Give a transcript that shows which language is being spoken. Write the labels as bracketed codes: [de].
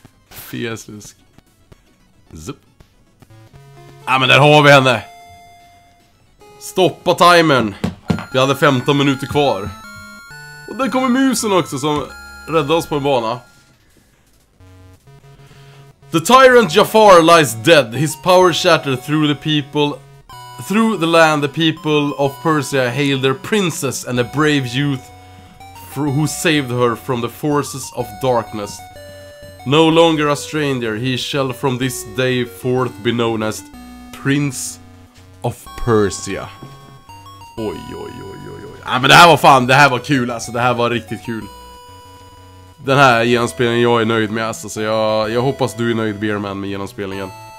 [sv] Fieslisk. Zup. Ja, men där har vi henne. Stoppa timern. Vi hade 15 minuter kvar. Och där kommer musen också som räddade oss på en bana. [en] The tyrant Jafar lies dead. His power shattered through the people. Through the land the people of Persia hail their princess and a brave youth who saved her from the forces of darkness. No longer a stranger, he shall from this day forth be known as Prince of Persia. Oj, oj, oj, oj, oj. [sv] Ja, men det här var fan, det här var kul alltså, det här var riktigt kul. Den här genomspelningen jag är nöjd med alltså, så jag hoppas du är nöjd, Beerman, med genomspelningen.